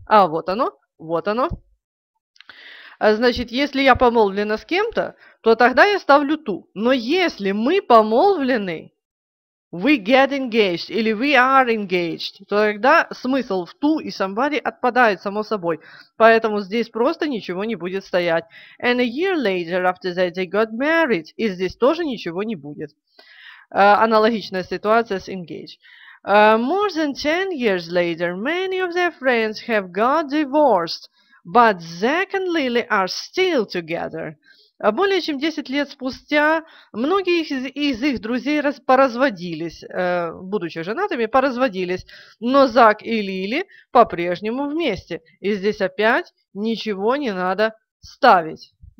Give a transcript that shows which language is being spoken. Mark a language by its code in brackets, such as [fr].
[ru] А, вот оно, вот оно. Значит, если я помолвлена с кем-то, то тогда я ставлю to. Но если мы помолвлены, [en] we get engaged [ru] или [en] we are engaged, [ru] то тогда смысл в to и somebody отпадает само собой. Поэтому здесь просто ничего не будет стоять. [en] And a year later, after that, they got married. [ru] И здесь тоже ничего не будет. Аналогичная ситуация с engaged. [en] More than 10 years later, many of their friends have got divorced. But Zack and Lily are still together. [ru] Более чем 10 лет спустя многие из их друзей поразводились, будучи женатыми, поразводились. Но Зак и Лили по-прежнему вместе. И здесь опять ничего не надо ставить.